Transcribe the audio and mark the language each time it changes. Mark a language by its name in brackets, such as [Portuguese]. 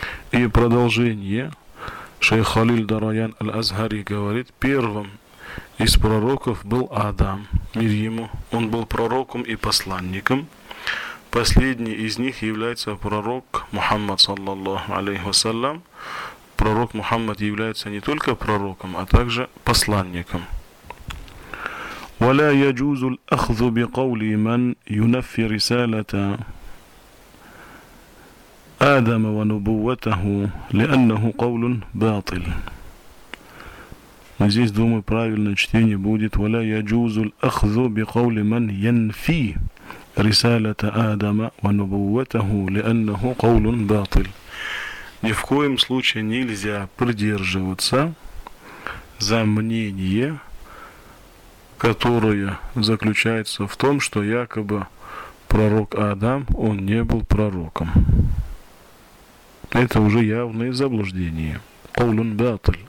[Russian] И продолжение, шейх Халиль Дараян Аль-Азхари говорит, первым из пророков был Адам, мир ему. Он был пророком и посланником. Последний из них является пророк Мухаммад, саллаллаху алейхи вассалям. Пророк Мухаммад является не только пророком, а также посланником. [Arabic] ولا يجوز الأخذ بقول من ينفي رسالة آدم ونبوته لأنه قول باطل. Здесь, думаю, правильное чтение будет. ولا يجوز الأخذ بقول من ينفي رسالة آدم ونبوته لأنه قول باطل. [Russian] Ни в коем случае нельзя придерживаться за мнение, которая заключается в том, что якобы пророк Адам, он не был пророком. Это уже явное заблуждение. [Arabic] Каулун батль.